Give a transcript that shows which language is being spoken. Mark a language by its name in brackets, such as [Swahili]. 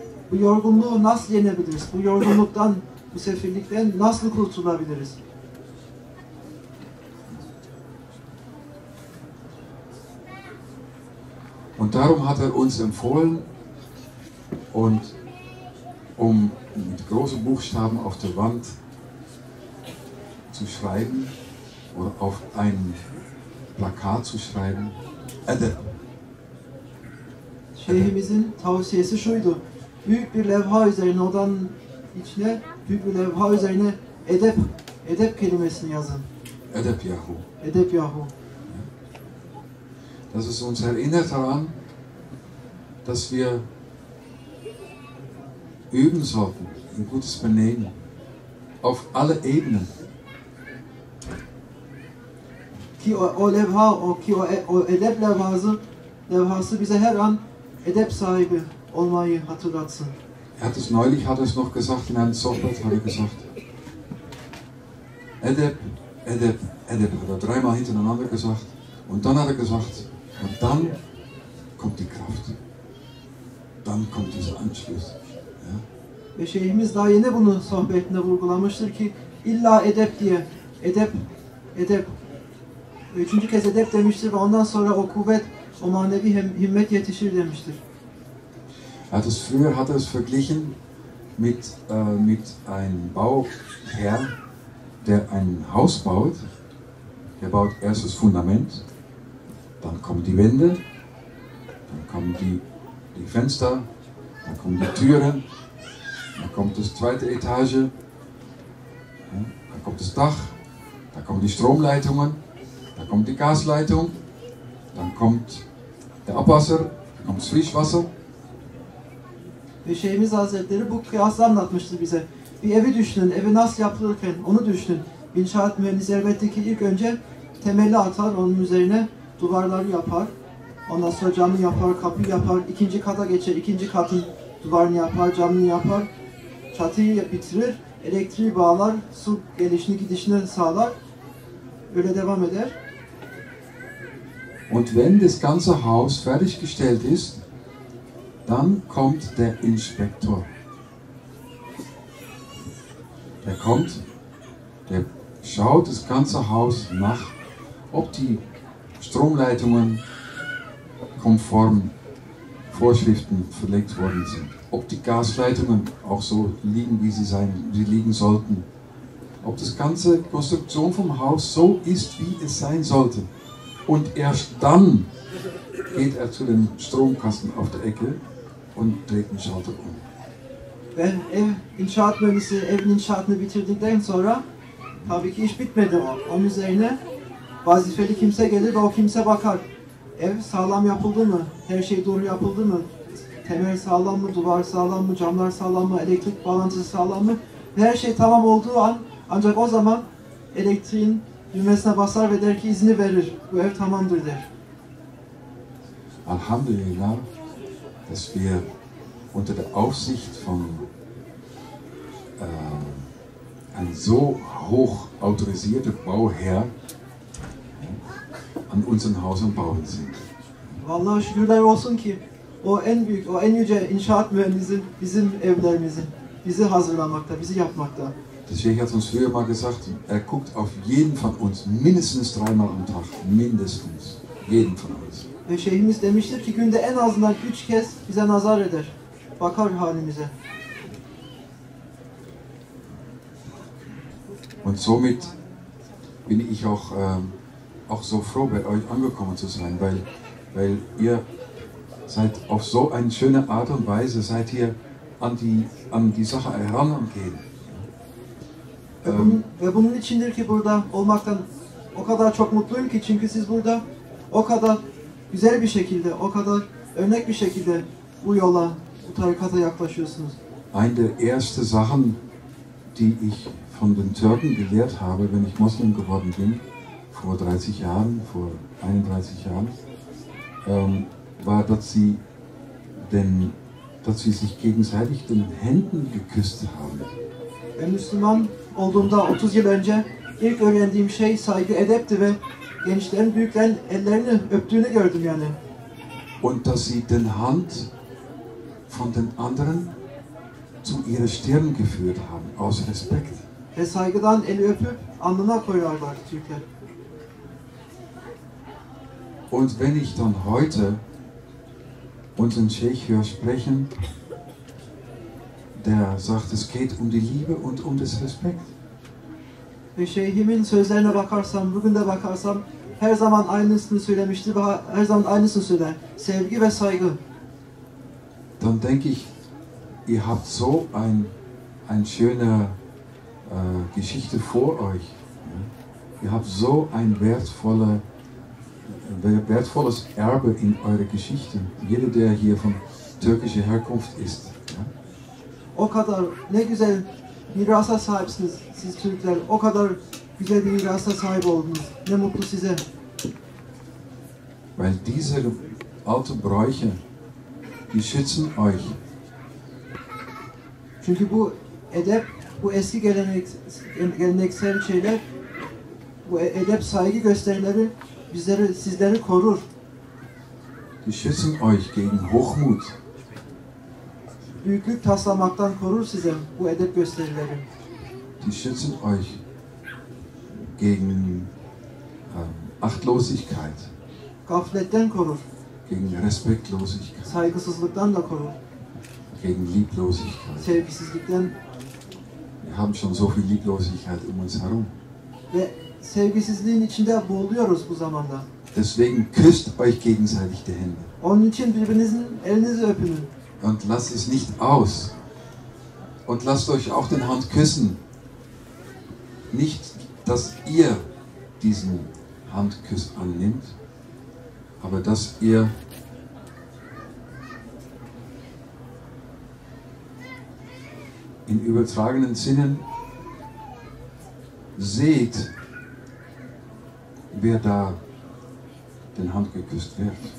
[Turkish] Bu yorgunluğu nasıl yenebiliriz? Bu yorgunluktan, bu sefillikten nasıl kurtulabiliriz? [German] Und darum hat uns empfohlen, und mit großen Buchstaben auf der Wand zu schreiben oder auf ein Plakat zu schreiben, Edeb. [Turkish] Şeyhimizin tavsiyesi şuydu. Büyük bir levha üzerine, odanın içine, büyük bir levha üzerine edep kelimesini yazın. Edeb yahu. Edeb yahu. [German] Das ist uns erinnert daran, dass wir üben sollten, ein gutes Benehmen, auf alle Ebenen. [Turkish] Ki o levha, ki o edep levhası bize her an edep sahibi olmayı hatırlatsın. [German] Er hat es neulich, hat es noch gesagt, in einem Sohbet, hat er gesagt. Edep, Edep, Edep, hat er dreimal hintereinander gesagt. Und dann hat er gesagt, und dann kommt die Kraft. Dann kommt dieser Anschluss. Ja? [Turkish] Ve şeyhimiz daha yeni bunu sohbetinde vurgulamıştır ki illa edep diye. Edep, edep. Üçüncü kez edep demiştir ve ondan sonra o kuvvet, o manevi himmet yetişir demiştir. [German] Hat es früher hat es verglichen mit mit einem Bauherr, der ein Haus baut. Der baut erst das Fundament, dann kommen die Wände, dann kommen die Fenster, dann kommen die Türen, dann kommt das zweite Etage, dann kommt das Dach, dann kommen die Stromleitungen, dann kommt die Gasleitung, dann kommt der Abwasser, dann kommt das Frischwasser. [Turkish] Ve Şeyhimiz Hazretleri bu kıyasla anlatmıştı bize. Bir evi düşünün, evi nasıl yapılırken onu düşünün. İnşaat mühendisi elbette ki ilk önce temeli atar, onun üzerine duvarları yapar. Ondan sonra camı yapar, kapı yapar, ikinci kata geçer, ikinci katın duvarını yapar, camını yapar. Çatıyı bitirir, elektriği bağlar, su gelişini gidişini sağlar. Öyle devam eder. [German] Und wenn das ganze Haus fertiggestellt ist, dann kommt der Inspektor. Der kommt, der schaut das ganze Haus nach, ob die Stromleitungen konform Vorschriften verlegt worden sind, ob die Gasleitungen auch so liegen, wie sie sein, wie liegen sollten, ob das ganze Konstruktion vom Haus so ist, wie es sein sollte. Und erst dann geht er zu dem Stromkasten auf der Ecke. Und dreht den Schalter um. [Turkish] Wenn ev inşaat mühendisi evin inşaatını bitirdikten sonra tabii ki iş bitmedi o. Onun üzerine vazifeli kimse gelir ve o kimse bakar. Ev sağlam yapıldı mı? Her şey doğru yapıldı mı? Temel sağlam mı? Duvar sağlam mı? Camlar sağlam mı? Elektrik bağlantısı sağlam mı? Her şey tamam olduğu an ancak o zaman elektriğin düğmesine basar ve der ki izni verir. Bu ev tamamdır der. Alhamdülillah. [German] Dass wir unter der Aufsicht von einem so hoch autorisierten Bauherr an unserem Haus am Bauen sind. [Turkish] Vallahi şükürler olsun ki o en büyük, o en yüce inşaat mühendisi bizim evlerimizin, bizi hazırlamakta, bizi yapmakta. [German] Der Sheikh hat uns früher mal gesagt, er guckt auf jeden von uns mindestens dreimal am Tag, mindestens, jeden von uns. [Turkish] Ve Şeyhimiz demiştir ki günde en azından 3 kez bize nazar eder. Bakar halimize. [German] Und somit bin ich auch auch so froh bei euch angekommen zu sein, weil ihr seid auf so eine schöne Art und Weise seid hier an die Sache herangehen. [Turkish] Ve bunun içindir ki burada olmaktan o kadar çok mutluyum ki çünkü siz burada o kadar güzel bir şekilde, o kadar örnek bir şekilde bu yola, bu tarikata yaklaşıyorsunuz. [German] Eine der ersten Sachen, die ich von den Türken gelehrt habe, wenn ich Muslim geworden bin, vor 30 Jahren, vor 31 Jahren, war, dass sie sich gegenseitig den Händen geküsst haben. [Turkish] Ben Müslüman olduğumda 30 yıl önce ilk öğrendiğim şey saygı edepti ve gençlerin, büyüklerin ellerini öptüğünü gördüm yani. [German] Und dass sie den Hand von den anderen zu ihrer Stirn geführt haben, aus Respekt. [Turkish] Ve saygıdan eli öpüp alnına koyarlar Türkler. [German] Und wenn ich dann heute unseren Sheikh höre sprechen, der sagt, es geht um die Liebe und um das Respekt. [Turkish] Ve Şeyhimin sözlerine bakarsam, bugün de bakarsam, her zaman aynısını söylemişti ve her zaman aynısını söyler. Sevgi ve saygı. [German] Dann denke ich, ihr habt so ein schöne Geschichte vor euch. Ja? Ihr habt so ein wertvolles Erbe in eure Geschichte. Jeder, der hier von türkischer Herkunft ist. Ja? [Turkish] O kadar ne güzel mirasa sahipsiniz siz Türkler. O kadar güzel bir mirasa sahip oldunuz. Ne mutlu size. [German] Weil diese alten Bräuche, die schützen euch. [Turkish] Çünkü bu edep, bu eski geleneksel şeyler, bu edep saygı gösterileri bizleri, sizleri korur. [German] Die schützen euch gegen Hochmut. [Turkish] Büyüklük taslamaktan korur size bu edep gösterileri. [German] Die schützen euch gegen Achtlosigkeit. [Turkish] Gafletten korur. [German] Gegen Respektlosigkeit. [Turkish] Saygısızlıktan da korur. [German] Gegen Lieblosigkeit. [Turkish] Sevgisizlikten. [German] Wir haben schon so viel Lieblosigkeit um uns herum. [Turkish] Ve sevgisizliğin içinde boğuluyoruz bu zamanda. [German] Deswegen küsst euch gegenseitig die Hände. [Turkish] Onun için birbirinizin elinizi öpünün. [German] Und lasst es nicht aus. Und lasst euch auch den Hand küssen. Nicht, dass ihr diesen Handkuss annimmt, aber dass ihr in übertragenen Sinnen seht, wer da den Hand geküsst wird.